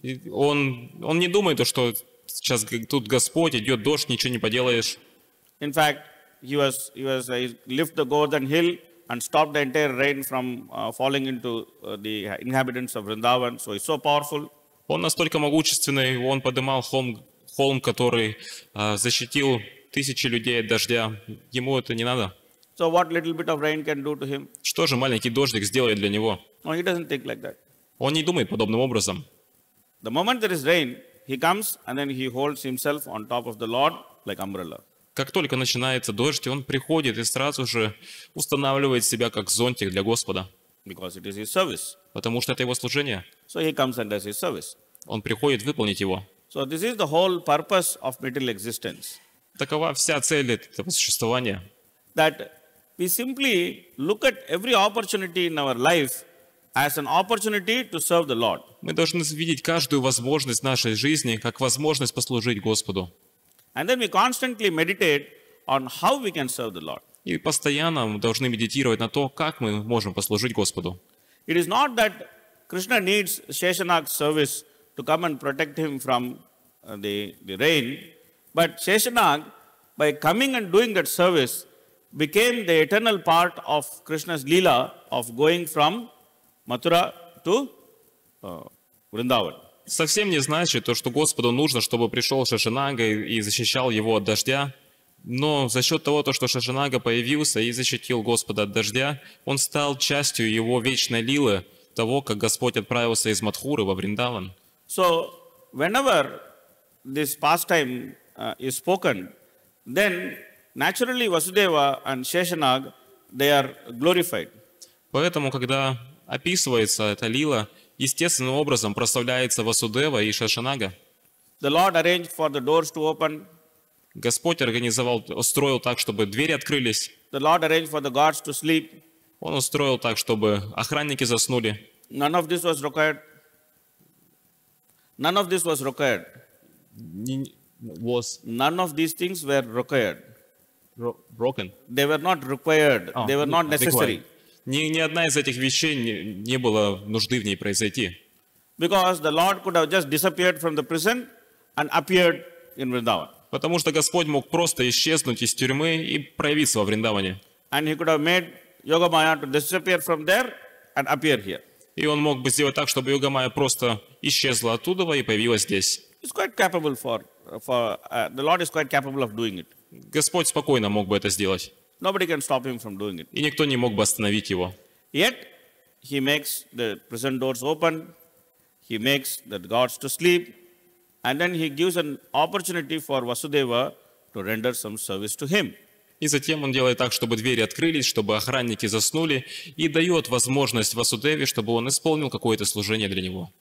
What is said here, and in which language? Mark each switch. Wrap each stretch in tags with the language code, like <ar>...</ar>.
<ru>Он не думает, что сейчас тут Господь, идет дождь, ничего не поделаешь.</ru> <en>In fact, he lift the golden hill and stop the entire rain from falling into the inhabitants of Vrindavan. So he's so powerful.</en> <ru>Он настолько могущественный, он поднимал холм, который защитил тысячи людей от дождя. Ему это не надо.</ru> <en>So what little bit of rain can do to him?</en> <ru>Что же маленький дождик сделает для него?</ru> <en>No, he doesn't think like that.</en> <ru>Он не думает подобным образом.</ru> <en>The moment there is rain, he comes and then he holds himself on top of the Lord like umbrella.</en> <ru>Как только начинается дождь, он приходит и сразу же устанавливает себя как зонтик для Господа.</ru> <en>Because it is his service.</en> <ru>Потому что это его служение.</ru> <en>So he comes and does his service.</en> <ru>Он приходит выполнить его.</ru> <en>So this is the whole purpose of material existence.</en> <ru>Такова вся цель этого существования.</ru> <en>That we simply look at every opportunity in our life as an opportunity to serve the Lord.</en> <ru>Мы должны видеть каждую возможность нашей жизни как возможность послужить Господу.</ru> <en>And then we constantly meditate on how we can serve the Lord.</en> <ru>И постоянно мы должны медитировать на то, как мы можем послужить Господу.</ru> <en>It is not that Krishna needs Sheshanag's service to come and protect him from the rain, but Sheshanag, by coming and doing that service, became the eternal part of Krishna's leela of going from Mathura to Vrindavan.</en> <ru>Совсем не значит то, что Господу нужно, чтобы пришел Шешанага и защищал его от дождя, но за счет того, то, что Шешанага появился и защитил Господа от дождя, он стал частью его вечной лилы, того, как Господь отправился из Мадхуры во Вриндаван.</ru> <en>So, whenever this pastime is spoken, then naturally Vasudeva and Sheshanag, they are glorified.</en> <ru>Поэтому, когда описывается эта лила, естественным образом прославляется Васудева и Шешанага.</ru> <en>The Lord arranged for the doors to open.</en> <ru>Господь организовал, устроил так, чтобы двери открылись.</ru> <en>The Lord arranged for the guards to sleep.</en> <ru>Он устроил так, чтобы охранники заснули.</ru> <en>None of this was required. None of this was required. None of these things were required. Broken. They were not required. They were not necessary.</en> <ru>Ни одна из этих вещей не было нужды в ней произойти.</ru> <en>Because the Lord could have just disappeared from the prison and appeared in Vrindavan.</en> <ru>Потому что Господь мог просто исчезнуть из тюрьмы и проявиться во Вриндаване.</ru> <en>And he could have made Yoga Maya to disappear from there and appear here.</en> <ru>И он мог бы сделать так, чтобы Йога Майя просто исчезла оттуда и появилась здесь.</ru> <en>He's quite capable the Lord is quite capable of doing it.</en> <ru>Господь спокойно мог бы это сделать.</ru> <en>Nobody can stop him from doing it.</en> <ru>И никто не мог бы остановить его.</ru> <en>Yet he makes the prison doors open, he makes the guards to sleep, and then he gives an opportunity for Vasudeva to render some service to him.</en> <ru>И затем он делает так, чтобы двери открылись, чтобы охранники заснули, и дает возможность Васудеве, чтобы он исполнил какое-то служение для него.</ru>